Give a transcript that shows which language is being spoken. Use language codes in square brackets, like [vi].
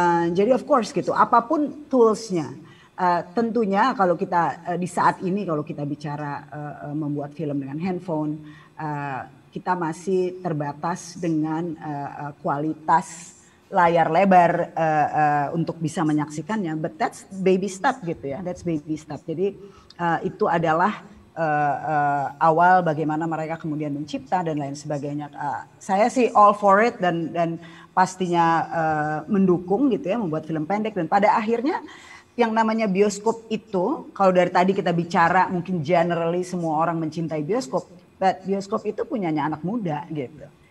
[id] Jadi [en] of course [id] gitu, apapun toolsnya. Tentunya kalau kita di saat ini kalau kita bicara membuat film dengan handphone, kita masih terbatas dengan kualitas layar lebar untuk bisa menyaksikannya. [en] But that's baby step [id] gitu ya, [en] that's baby step. [id] Jadi itu adalah awal bagaimana mereka kemudian mencipta dan lain sebagainya. Saya sih [en] all for it [id] dan pastinya mendukung gitu ya membuat film pendek. Dan pada akhirnya yang namanya bioskop itu, kalau dari tadi kita bicara mungkin generally semua orang mencintai bioskop, but bioskop itu punyanya anak muda gitu.